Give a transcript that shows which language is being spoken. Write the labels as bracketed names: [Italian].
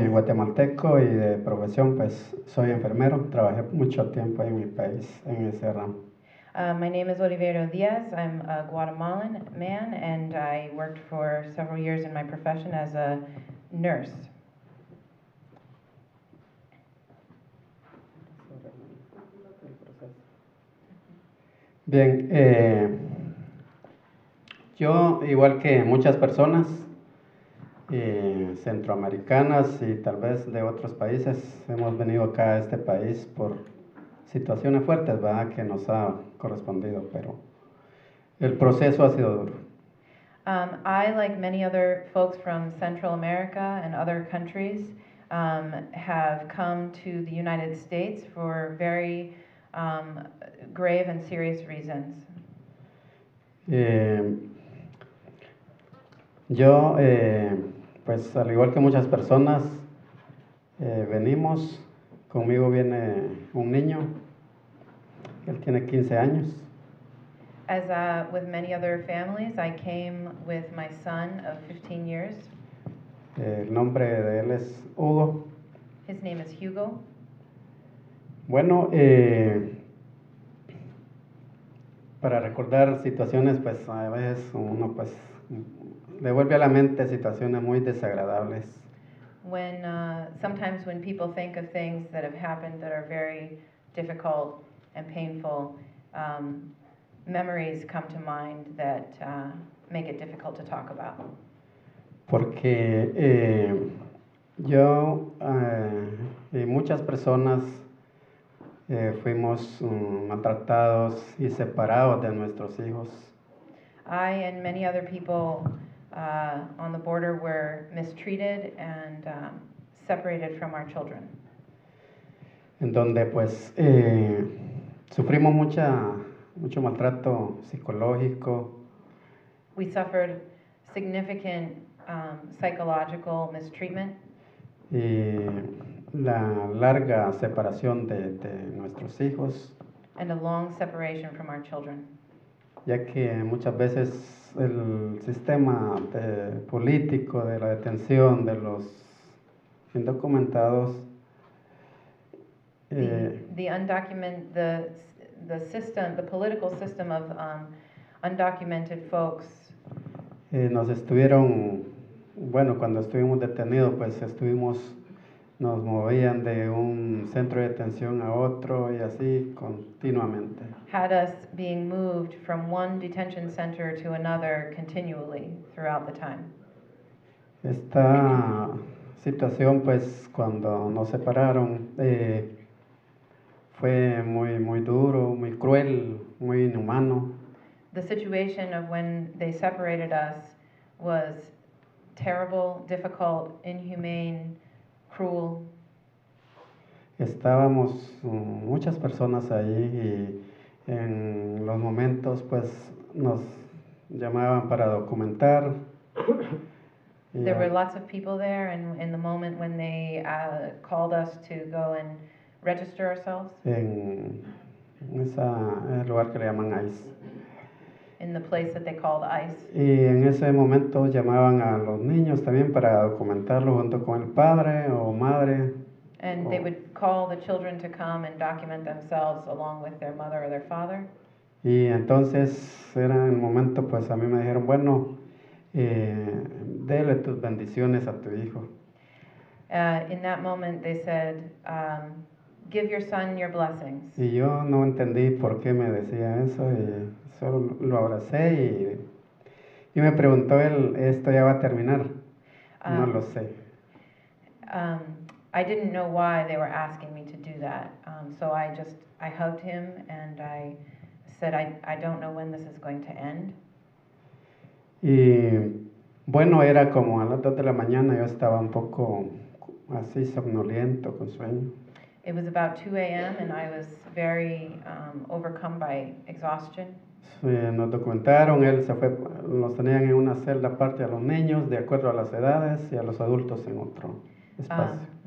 [Spanish] Soy guatemalteco y de profesión, pues, soy enfermero. Trabajé mucho tiempo en mi país, en ese ramo. [English] My name is Oliverio Díaz. I'm a Guatemalan man, and I worked for several years in my profession as a nurse. [Spanish] Bien, yo, igual que muchas personas centroamericanas y tal vez de otros países, hemos venido acá a este país por situaciones fuertes, ¿verdad?, que nos ha correspondido, pero el proceso ha sido duro. [English] I, like many other folks from Central America and other countries, have come to the United States for very grave and serious reasons. [Spanish] Yo, pues al igual que muchas personas, venimos, conmigo viene un niño, él tiene 15 años. [English] As with many other families, I came with my son of 15 years. [Spanish] El nombre de él es Hugo. [English] His name is Hugo. [Spanish] Bueno, para recordar situaciones, pues a veces uno pues devuelve a la mente situaciones muy desagradables. [English] When sometimes when people think of things that have happened that are very difficult and painful, memories come to mind that make it difficult to talk about? [Spanish] Porque yo y muchas personas fuimos maltratados y separados de nuestros hijos. [English] I and many other people on the border were mistreated and separated from our children. [Spanish] En donde pues sufrimos mucho maltrato psicológico. [English] We suffered significant psychological mistreatment. [Spanish] Y la larga separación de nuestros hijos. [English] And a long separation from our children. [Spanish] Ya que muchas veces el sistema político de la detención de los indocumentados. [English] The undocumented, the system, the political system of undocumented folks. [Spanish] Nos estuvieron, bueno, cuando estuvimos detenidos, pues estuvimos, nos movían de un centro de detención a otro y así continuamente. [English] Had us being moved from one detention center to another continually throughout the time. [Spanish] Esta situación, pues, cuando nos separaron, fue muy, muy duro, muy cruel, muy inhumano. [English] The situation of when they separated us was terrible, difficult, inhumane, cruel. [Spanish] Estábamos muchas personas ahí y en los momentos pues nos llamaban para documentar. [English] There were lots of people there, and in the moment when they called us to go and register ourselves. [Spanish] En esa lugar que le llaman ICE. [English] In the place that they called ICE. [Spanish] Y en ese momento llamaban a los niños también para documentarlo junto con el padre o madre. [English] And they would call the children to come and document themselves along with their mother or their father. [Spanish] Y entonces era el momento, pues a mí me dijeron, bueno, dele tus bendiciones a tu hijo. [English] In that moment they said, give your son your blessings. [Spanish] Y yo no entendí por qué me decía eso y solo lo abracé y me preguntó él, ¿esto ya va a terminar? No lo sé. [English] I didn't know why they were asking me to do that. So I hugged him and I said, I don't know when this is going to end. [Spanish] Y bueno, era como a las 2 de la mañana, yo estaba un poco así somnoliento, con sueño. [English] It was about 2 a.m. and I was very overcome by exhaustion. [Spanish] Sí, nos documentaron, él se fue, los tenían en una celda aparte a los niños, de acuerdo a las edades, y a los adultos en otro espacio.